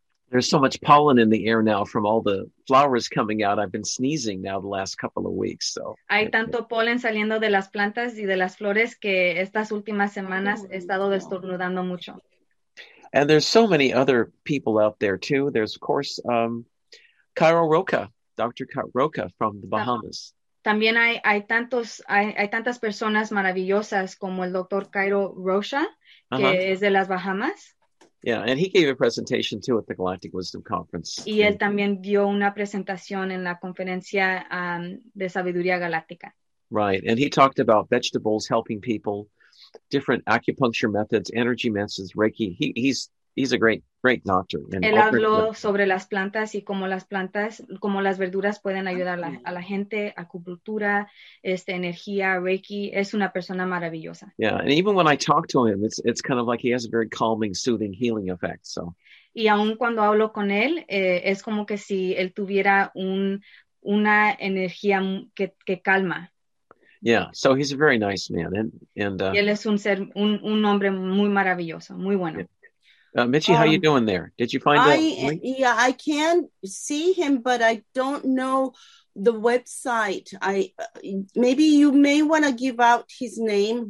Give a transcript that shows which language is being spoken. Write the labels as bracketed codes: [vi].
[en] There's so much pollen in the air now from all the flowers coming out. I've been sneezing now the last couple of weeks. So [es] hay tanto polen saliendo de las plantas y de las flores que estas últimas semanas he estado estornudando mucho. [en] And there's so many other people out there too. There's of course Cairo Roca, Dr. Cairo Roca from the Bahamas. [es] También hay tantas personas maravillosas como el Dr. Cairo Roca. Uh-huh. Que es de las Bahamas. [en] Yeah, and he gave a presentation too at the Galactic Wisdom Conference. [es] Y él también dio una presentación en la conferencia de sabiduría galáctica. [en] Right, and he talked about vegetables helping people, different acupuncture methods, energy methods, Reiki. He's He's a great, great doctor. And [es] Él habló sobre las plantas y cómo las plantas, cómo las verduras pueden ayudar a la gente, a acupuntura, energía, Reiki. Es una persona maravillosa. [en] Yeah, and even when I talk to him, it's kind of like he has a very calming, soothing, healing effect. So. [es] Y aun cuando hablo con él, es como que si él tuviera una energía que calma. [en] Yeah, so he's a very nice man. [es] Y él es un ser, un hombre muy maravilloso, muy bueno. [en] Yeah. Mitchie, how you doing there? Did you find it? Yeah, I can see him, but I don't know the website. Maybe you may want to give out his name.